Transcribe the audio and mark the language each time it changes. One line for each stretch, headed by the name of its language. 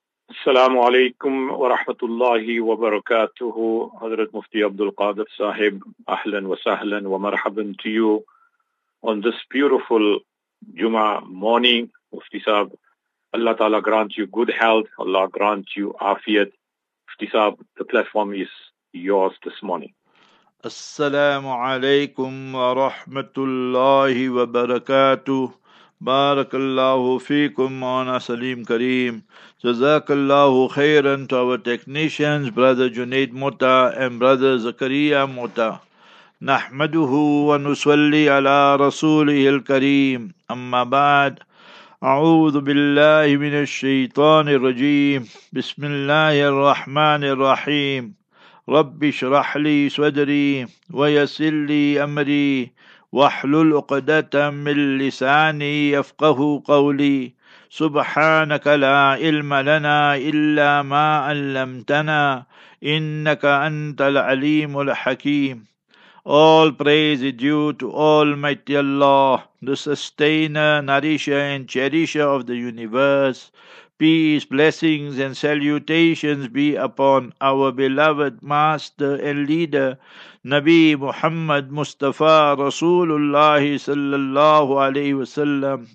Arabic: السلام عليكم ورحمة الله وبركاته. حضرت مفتي عبد القادر صاحب, أهلا وسهلا ومرحبا
English: to you on this beautiful Juma morning. مفتي صاحب, Allah Ta'ala grant you good health, Allah grant you afiyat. مفتي صاحب, the platform is yours this morning.
Arabic: السلام عليكم ورحمة الله وبركاته. بارك الله فيكم مولانا سليم كريم. جزاك الله خيرا
English: to our technicians, brother Junaid Mota and brother Zakaria Mota.
Arabic: نحمده ونصلي على رسوله الكريم. أما بعد, أعوذ بالله من الشيطان الرجيم. بسم الله الرحمن الرحيم. رب اشرح لي صدري ويسر لي أمري واحلل عقدة من لساني يفقه قولي سبحانك لا علم لنا إلا ما علمتنا إنك أنت العليم الحكيم.
English: All praise is due to Almighty Allah, the sustainer, nourisher and cherisher of the universe. Peace, blessings and salutations be upon our beloved master and leader, Nabi Muhammad Mustafa Rasulullah sallallahu alayhi wa sallam.